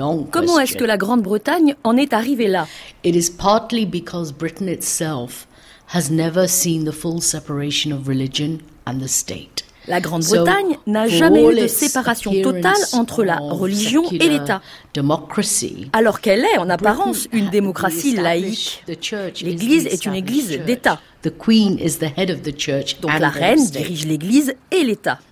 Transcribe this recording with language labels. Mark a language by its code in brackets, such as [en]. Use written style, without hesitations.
[fr] Comment est-ce que la Grande-Bretagne en est arrivée là? [en] It is partly because Britain itself has never seen the full separation of religion and the state. [fr] La Grande-Bretagne n'a jamais eu de séparation totale entre la religion et l'État. Alors qu'elle est, en apparence, une démocratie laïque. L'Église est une Église d'État. Donc la reine dirige l'Église et l'État.